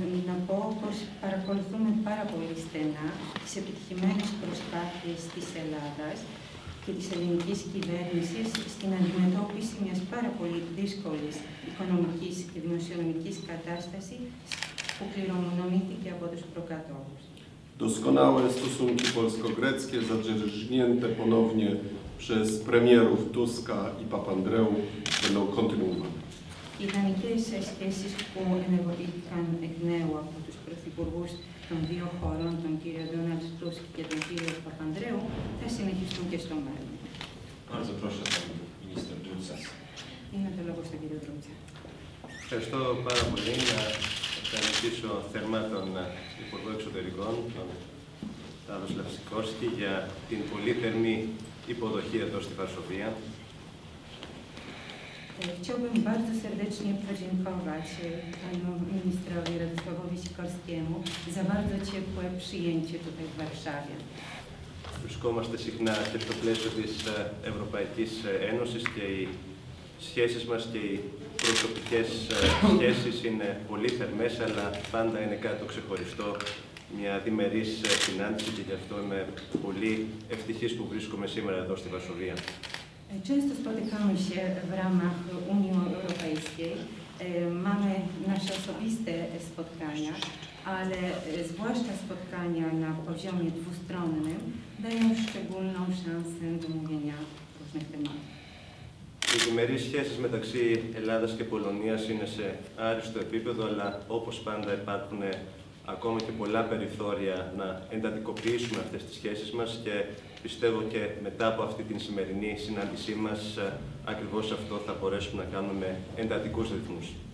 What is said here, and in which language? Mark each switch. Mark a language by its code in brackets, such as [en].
[el] Να πω πως παρακολουθούμε πάρα πολύ στενά τις επιτυχημένες προσπάθειες της Ελλάδας και της ελληνικής κυβέρνησης στην αντιμετώπιση μιας πάρα πολύ δύσκολης οικονομικής και δημοσιονομικής κατάστασης που κληρονομήθηκε από τους προκατόχους. [pl] Doskonałe stosunki polsko-greckie, zadrzeżnięte ponownie przez premierów Tuska i Papandreou, będą kontynuowane. [el] Οι ιδανικές σχέσεις που ενεργοποιήθηκαν εκ νέου από τους υπουργούς των δύο χωρών, τον κύριο Ντόναλντ Τούσκ και τον κύριο Παπανδρέου, θα συνεχιστούν και στο μέλλον. Πάρα πολύ, κύριε Τούρτσα. Είναι το λόγο στον κύριο Τούρτσα. Ευχαριστώ πάρα πολύ. Να ευχαριστήσω θερμά τον Υπουργό Εξωτερικών, τον Τάδο Λαυσικόσκι, για την πολύ θερμή υποδοχή εδώ στη Βαρσοβία. [pl] Chciałbym bardzo serdecznie podziękować panu ministrowi Radosławowi Sikorskiemu za bardzo ciepłe przyjęcie tutaj w Warszawie. [el] Βρισκόμαστε συχνά και στο πλαίσιο της Ευρωπαϊκής Ένωσης και οι σχέσεις μας και οι προσωπικές σχέσεις είναι πολύ θερμές, αλλά πάντα είναι κάτι ξεχωριστό, μια διμερής συνάντηση και γι' αυτό είμαι πολύ ευτυχής που βρίσκομαι σήμερα εδώ στη Βαρσοβία. [pl] Często spotykamy się w ramach Unii Europejskiej, mamy nasze osobiste spotkania, ale zwłaszcza spotkania na poziomie dwustronnym dają szczególną szansę do mówienia różnych tematów. [el] Οι διμερείς σχέσεις μεταξύ Ελλάδας και Πολωνίας είναι σε άριστο επίπεδο, αλλά όπως πάντα υπάρχουν ακόμα και πολλά περιθώρια να εντατικοποιήσουμε αυτές τις σχέσεις μας και πιστεύω και μετά από αυτή την σημερινή συνάντησή μας, ακριβώς αυτό θα μπορέσουμε να κάνουμε εντατικούς ρυθμούς.